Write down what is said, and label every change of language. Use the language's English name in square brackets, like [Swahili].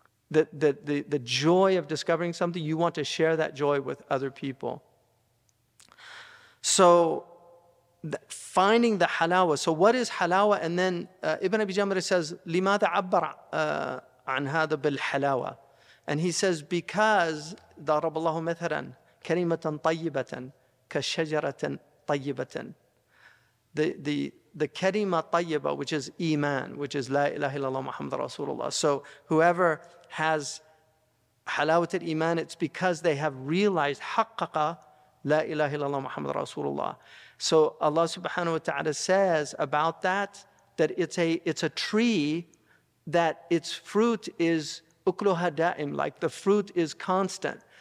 [English] The joy of discovering something, you want to share that joy with other people. So finding the halawa. So what is halawa? And then Ibn Abi Jamr says, [Arabic] لِمَاذَا عَبَّرَ عَنْ هَذَا بِالْحَلَاوَةِ. [English] And he says, because [Arabic] ضَرَبَ اللَّهُ مَثَلًا كَلِمَةً طَيِّبَةً كَشَجَرَةً طَيِّبَةً. [English] The kalima tayyiba, which is iman, which is la ilaha illallah Muhammad Rasulullah. So whoever has halawat al-iman, it's because they have realized haqqaqa la ilaha illallah Muhammad Rasulullah. So Allah subhanahu wa ta'ala says about that it's a tree that its fruit is ukluha da'im, like the fruit is constant.